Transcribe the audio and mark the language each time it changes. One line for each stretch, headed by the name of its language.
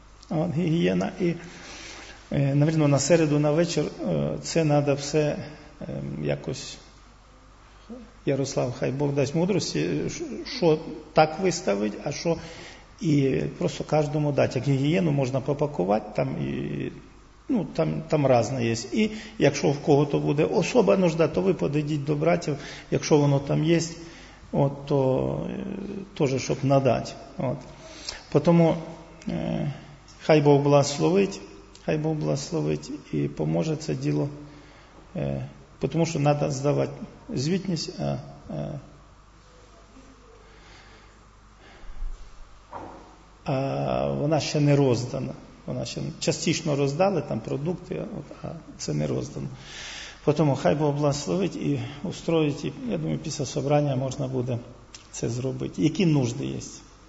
Ukrainian: От, гігієна і... Наверно, на середу, на вечір це треба все якось, Ярослав, хай Бог дасть мудрості, що так виставить, а що і просто кожному дати. Як гігієну можна попакувати, там, і, ну, там різне є. І якщо в кого-то буде особа нужда, то ви подійдіть до братів, якщо воно там є, от, то теж, щоб надати. От. Тому хай Бог благословить. Хай Бог благословить і поможе це діло, тому що треба здавати звітність. А вона ще не роздана. Вона ще частично роздали там продукти, а це не роздано.
Russian: Поэтому
Ukrainian: хай Бог
Russian: благословит и устроит, я думаю, после собрания можно будет это сделать. Какие нужды есть?